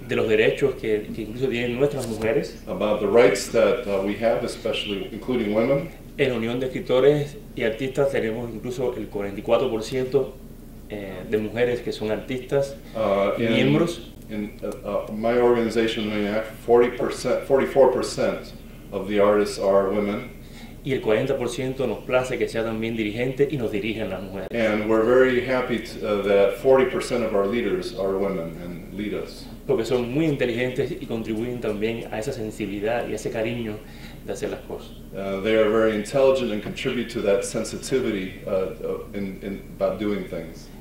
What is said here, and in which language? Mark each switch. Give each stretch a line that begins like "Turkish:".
Spanish: De los derechos que incluso tienen nuestras mujeres.
English: About the rights that we have, especially including women.
Spanish: En Unión de Escritores y Artistas tenemos incluso el 44% de mujeres que son artistas y miembros.
English: My organization, UNIAC, 44% of the artists are women.
Spanish: Y el 40% nos place que sea también dirigente y nos dirigen las mujeres.
English: And we're very happy that 40% of our leaders are women and lead us.
Spanish: Porque son muy inteligentes y contribuyen también a esa sensibilidad y a ese cariño de hacer las cosas.
English: They are very intelligent and contribute to that sensitivity in about doing things.